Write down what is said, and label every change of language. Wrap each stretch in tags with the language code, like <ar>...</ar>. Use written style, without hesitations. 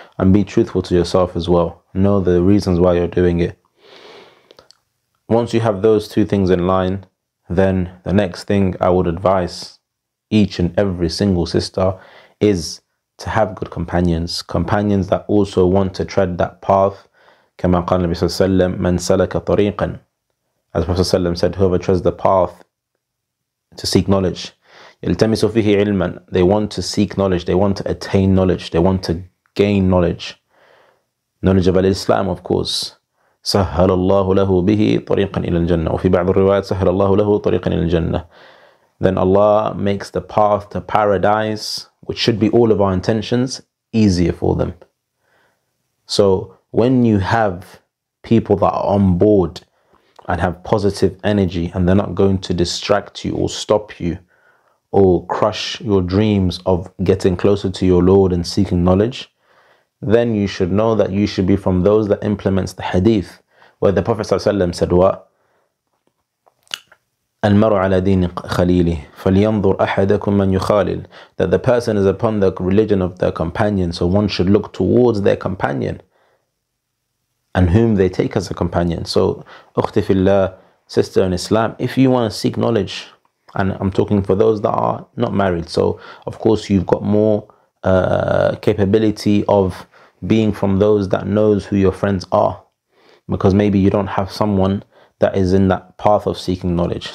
<en>And be truthful to yourself as well. Know the reasons why you're doing it. Once you have those two things in line, then the next thing I would advise each and every single sister is to have good companions. Companions that also want to tread that path.</en> <ar>كما قال النبي صلى الله عليه وسلم, من سلك طريقا.</ar> <en>As Prophet ﷺ said, whoever treads the path to seek knowledge.</en> <ar>يلتمس فيه علما.</ar> <en>They want to seek knowledge. They want to attain knowledge. They want to gain knowledge. Knowledge of Al-Islam, of course.</en> <ar>سهل الله له به طريقا إلى الجنة. وفي بعض الروايات سهل الله له طريقا إلى الجنة.</ar> <en>Then Allah makes the path to paradise, which should be all of our intentions, easier for them. So when you have people that are on board and have positive energy, and they're not going to distract you or stop you or crush your dreams of getting closer to your Lord and seeking knowledge, then you should know that you should be from those that implements the hadith where the Prophet ﷺ said, "What?</en> <ar>المرء على دين خليله فلينظر أحدكم من يخالل."</ar> <en>That the person is upon the religion of their companion, so one should look towards their companion and whom they take as a companion. So,</en> <ar>أختي في الله,</ar> <en>sister in Islam, if you want to seek knowledge, and I'm talking for those that are not married, so of course you've got more capability of being from those that knows who your friends are, because maybe you don't have someone that is in that path of seeking knowledge.</en>